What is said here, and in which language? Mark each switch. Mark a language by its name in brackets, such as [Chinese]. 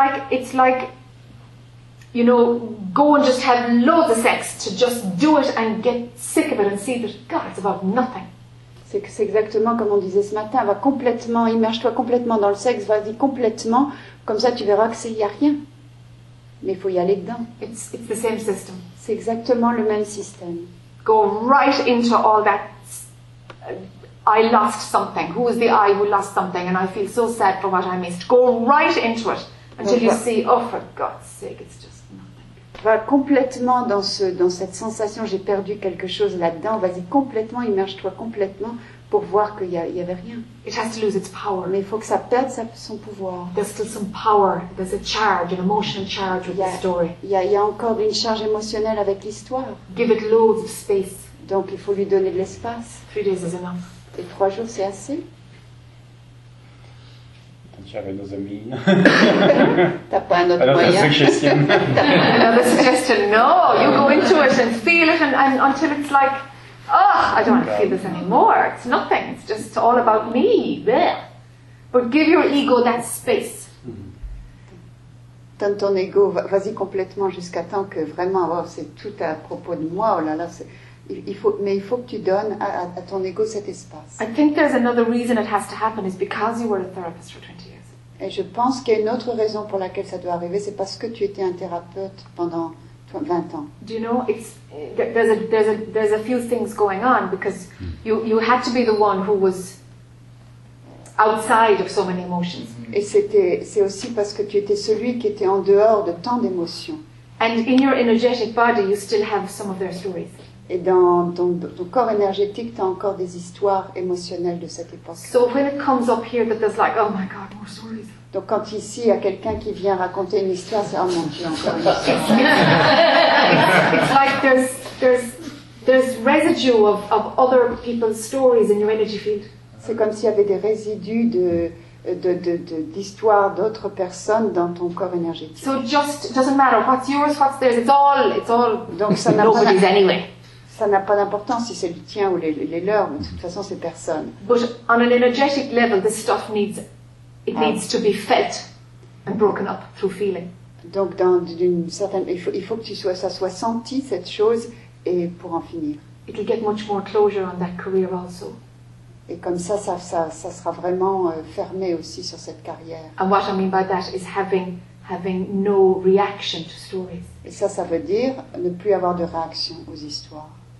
[English] It's like, you know, go and just have loads of sex to just do it and get sick of it and see that God, it's about nothing. [French] C'est exactement comme on disait ce matin. Va complètement, immerge-toi complètement dans le sexe. Vas-y complètement. Comme ça, tu verras que c'est y a rien. Mais il faut y aller dedans. [English] It's the same system. [French] C'est exactement le même système. [English] Go right into all that. I lost something. Who is the I who lost something? And I feel so sad for what I missed. Go right into it until you see. Oh, for God's sake, it's just nothing. [French] Va complètement dans cette sensation. J'ai perdu quelque chose là-dedans. Vas-y complètement. Immerge-toi complètement pour voir qu'il y avait rien. [English] It has to lose its power. [French] Mais il faut que ça perde son pouvoir. [English] There's still some power. There's a charge, an emotional charge with the story. [French] Il y a encore une charge émotionnelle avec l'histoire. [English] Give it loads of space. [French] Donc il faut lui donner de l'espace. [English] 3 days is enough. [French] Et 3 jours, c'est assez. J'avais nos amis. T'as pas un autre moyen. [English] Another suggestion. No, you go into it and feel it and until it's like, oh, I don't want to feel this anymore. It's nothing. It's just all about me. Blech. But give your ego that space. [French] Donne ton ego, vas-y complètement jusqu'à temps que vraiment, oh, c'est tout à propos de moi. Oh là là, c'est... Il faut que tu donnes à ton ego cet espace. [English] I think there's another reason it has to happen is because you were a therapist for 20 years. [French] Et je pense qu'il y a une autre raison pour laquelle ça doit arriver, c'est parce que tu étais un thérapeute pendant 20 ans. [English] Do you know there's a few things going on because you had to be the one who was outside of so many emotions. [French] Et c'est aussi parce que tu étais celui qui était en dehors de tant d'émotions. [English] And in your energetic body, you still have some of their stories. [French] Et dans ton corps énergétique, tu as encore des histoires émotionnelles de cette époque. [English] So when it comes up here that there's like, oh my God, more stories. [French] Donc quand ici, il y a quelqu'un qui vient raconter une histoire, c'est, oh mon Dieu, encore une histoire. [English] It's like there's residue of other people's stories in your energy field. [French] C'est comme s'il y avait des résidus de d'histoires d'autres personnes dans ton corps énergétique. [English] So just, it doesn't matter what's yours, what's theirs, it's all [French] donc ça n'a [English] nobody's [French] pas... [English] anyway. [French] Ça n'a pas d'importance si c'est le tien ou les leurs, mais de toute façon, c'est personne. [English] But on an energetic level, this stuff needs to be felt and broken up through feeling. [French] Donc, dans d'une certaine, il faut que ça soit senti cette chose et pour en finir. [English] It'll get much more closure on that career also. [French] Et comme ça sera vraiment fermé aussi sur cette carrière. [English] And what I mean by that is having no reaction to stories. [French] Et ça veut dire ne plus avoir de réaction aux histoires.